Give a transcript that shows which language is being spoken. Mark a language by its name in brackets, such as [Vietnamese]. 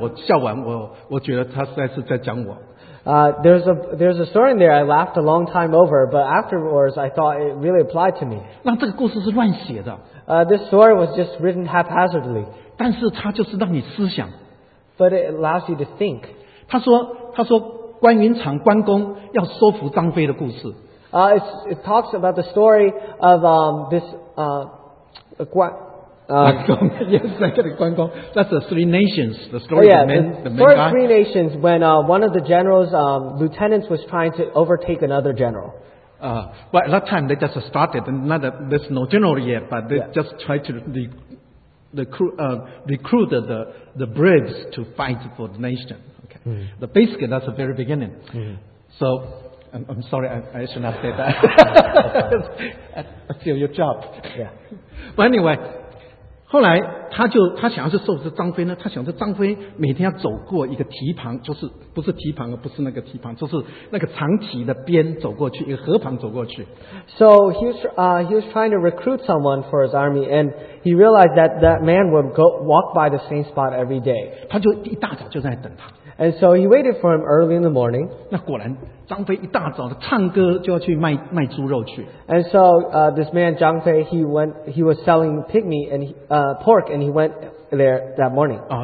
[Chinese] 就是这么，那么里面有个小故事啊，我笑了很久，但我笑完，我觉得他实在是在讲我。 [English] There's a story in there I laughed a long time over, but afterwards I thought it really applied to me. [Chinese] 那这个故事是乱写的。 [English] This story was just written haphazardly. [Chinese] 但是它就是让你思想。 [English] But it allows you to think. [Chinese] 他说关云长关公要说服张飞的故事。 [English] It talks about the story of this 关公, yes, that's the Three Nations, the story of the main guy. The Three Nations, when one of the generals, lieutenants was trying to overtake another general. But at that time, they just started, there's no general yet, but they just tried to recruit the braves to fight for the nation. Okay. Mm-hmm. But basically, that's the very beginning. Mm-hmm. So, I'm sorry, I should not say that. I feel your job. Yeah. But anyway, [Chinese] 后来他就想要是说服张飞呢，他想着张飞每天要走过一个堤旁，就是不是堤旁，不是那个堤旁，就是那个长堤的边走过去，一个河旁走过去。 [English] So he was trying to recruit someone for his army, and he realized that that man would go walk by the same spot every day. [Chinese] 他就一大早就在等他。 [English] And so he waited for him early in the morning. [Chinese] 那果然，张飞一大早的唱歌就要去卖猪肉去。 [English] And so this man Zhang Fei, he was selling pig meat and pork, and he went there that morning.